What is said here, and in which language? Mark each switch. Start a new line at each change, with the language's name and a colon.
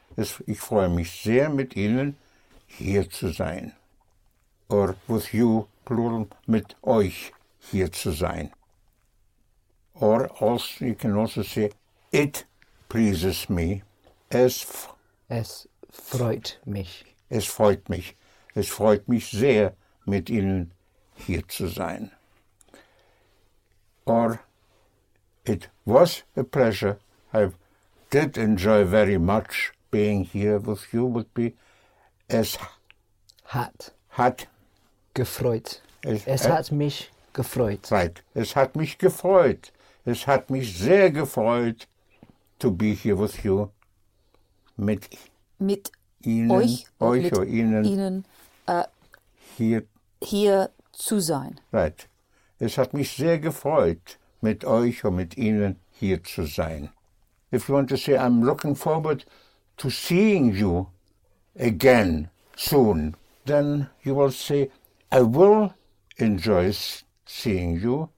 German: Ich freue mich sehr, mit Ihnen hier zu sein.
English: Or with you, plural,
German: mit euch hier zu sein.
English: Or also, you can also say, it pleases me.
German: Es freut mich. Es freut mich sehr, mit Ihnen hier zu sein.
English: Or it was a pleasure. I did enjoy very much being here with you. Would be,
German: Es hat gefreut. Es hat mich gefreut. Right. Es hat mich gefreut. Es hat mich sehr gefreut,
English: to be here with you.
German: Mit Ihnen, euch, euch mit oder Ihnen, Ihnen hier zu sein.
English: Right.
German: Es hat mich sehr gefreut, mit euch und mit Ihnen hier zu sein.
English: If you want to say, I'm looking forward to seeing you again soon, then you will say, I will enjoy seeing you.